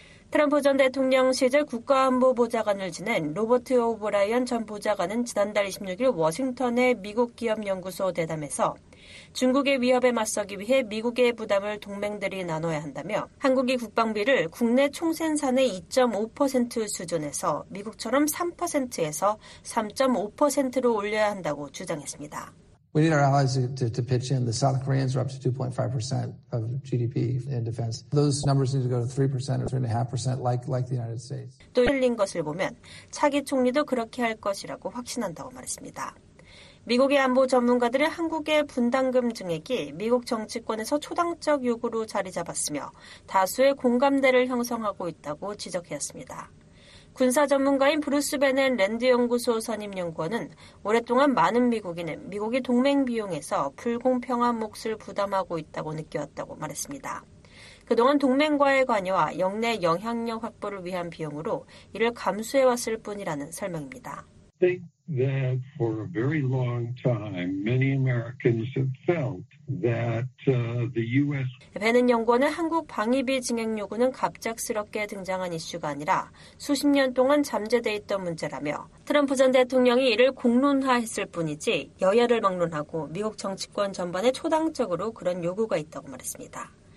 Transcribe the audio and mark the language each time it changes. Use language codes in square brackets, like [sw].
[ko] 트럼프 전 대통령 시절 국가안보보좌관을 지낸 로버트 오브라이언 전 보좌관은 지난달 26일 워싱턴의 미국 기업연구소 대담에서 중국의 위협에 맞서기 위해 미국의 부담을 동맹들이 나눠야 한다며 한국이 국방비를 국내 총생산의 2.5% 수준에서 미국처럼 3%에서 3.5%로 올려야 한다고 주장했습니다. [en] We need our allies to pitch in. The South Koreans are up to 2.5% of GDP in defense. Those numbers need to go to 3% or 3.5% like the United States. [ko] 또 흘린 것을 보면 차기 총리도 그렇게 할 것이라고 확신한다고 말했습니다. 미국의 안보 전문가들은 한국의 분담금 증액이 미국 정치권에서 초당적 요구로 자리 잡았으며 다수의 공감대를 형성하고 있다고 지적했습니다. 군사 전문가인 브루스 베넨 랜드 연구소 선임 연구원은 오랫동안 많은 미국인은 미국의 동맹 비용에서 불공평한 몫을 부담하고 있다고 느껴왔다고 말했습니다. 그동안 동맹과의 관여와 영내 영향력 확보를 위한 비용으로 이를 감수해왔을 뿐이라는 설명입니다. [en] That for a very long time, many Americans have felt that the U.S. [ko] 베넨 연구원은 한국 방위비 증액 요구는 갑작스럽게 등장한 이슈가 아니라 수십 년 동안 잠재돼 있던 문제라며 트럼프 전 대통령이 이를 공론화했을 뿐이지 여야를 막론하고 미국 정치권 전반에 초당적으로 그런 요구가 있다고 말했습니다.